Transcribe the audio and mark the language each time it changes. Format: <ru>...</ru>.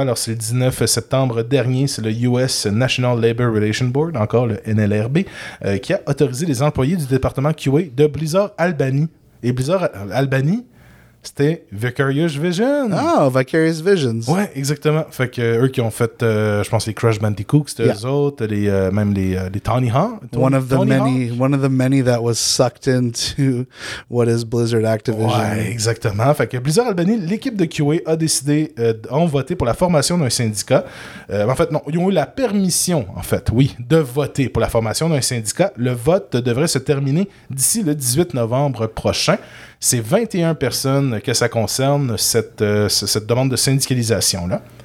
<fr>Alors, c'est le 19 septembre dernier, c'est le US National Labor Relations Board, encore le NLRB, qui a autorisé les employés du département QA de Blizzard Albany. Et Blizzard Albany, c'était Vicarious Visions. Ah, Vicarious Visions. Ouais, exactement. Fait que eux qui ont fait, je pense, les Crash Bandicoot, c'était eux autres, les Tony Hawk.</fr> <en>One of the many that was sucked into what is Blizzard Activision.</en> <fr>Ouais, exactement. Fait que Blizzard Albany, l'équipe de QA a décidé d'en voter pour la formation d'un syndicat. De voter pour la formation d'un syndicat. Le vote devrait se terminer d'ici le 18 novembre prochain. C'est 21 personnes que ça concerne, cette demande de syndicalisation-là.</fr>